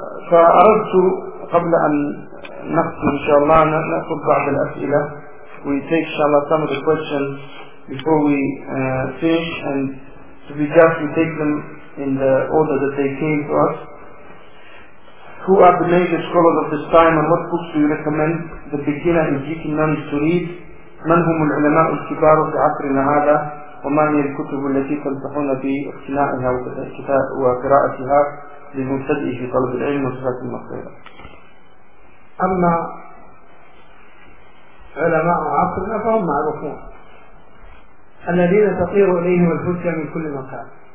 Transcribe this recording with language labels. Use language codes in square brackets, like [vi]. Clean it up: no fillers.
[ar] فأردت قبل أن نقص إن شاء الله نقص بعض الأسئلة. [en] We take inshallah some of the questions before we finish, and to be just we take them in the order that they came to us. Who are the major scholars of this time, and what books do you recommend the beginner in seeking knowledge to read? [ar] من هم العلماء الكبار في عصرنا هذا وما هي الكتب التي تنصحون باقتنائها وقراءتها للمبتدئ في طلب العلم وصفات المخيرة؟ أما علماء عصرنا فهم معروفون الذين تطير إليهم الحجة من كل مكان.